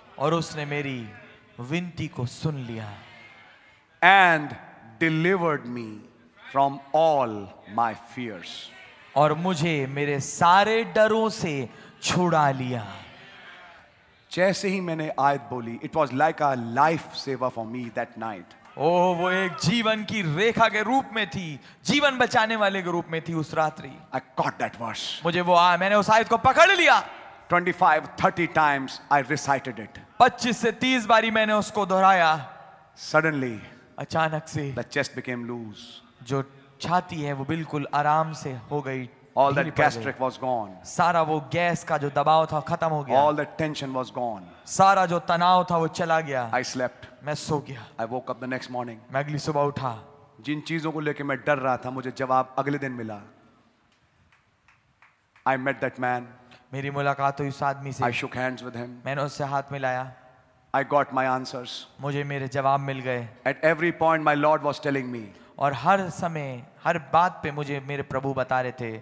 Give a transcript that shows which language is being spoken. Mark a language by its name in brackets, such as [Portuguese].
[Hindi] और उसने मेरी विनती को सुन लिया. [English] And delivered me from all my fears. [Hindi] और मुझे मेरे सारे डरों से छुड़ा लिया. जैसे ही मैंने आयत बोली, [English] it was like a lifesaver for me that night. [Hindi] ओह, वो एक जीवन की रेखा के रूप में थी, जीवन बचाने वाले के रूप में थी उस रात्रि. [English] I caught that verse. [Hindi] मुझे वो आया, मैंने उस आयत को पकड़ लिया. [English] 25-30 times I recited it. [Hindi] 25-30 बारी मैंने उसको दोहराया. [English] Suddenly, [Hindi] अचानक से, [English] the chest became loose. [Hindi] जो छाती है वो बिल्कुल आराम से हो गई. [English] All that gastric was gone. [Hindi] सारा वो गैस का जो दबाव था खत्म हो गया. [English] All that tension was gone. [Hindi] सारा जो तनाव था वो चला गया. [English] I slept. [Hindi] मैं सो गया. [English] I woke up the next morning. [Hindi] मैं अगली सुबह उठा. जिन चीजों को लेके मैं डर रहा था मुझे जवाब अगले दिन मिला. [English] I met that man. [Hindi] मेरी मुलाकात हुई उस आदमी से. [English] I shook hands with him. [Hindi] मैंने उससे हाथ मिलाया. [English] I got my answers. [Hindi] मुझे मेरे जवाब मिल गए. [English] At every point, my Lord was telling me. [Hindi] और हर समय, हर बात पे मुझे मेरे प्रभु बता रहे थे.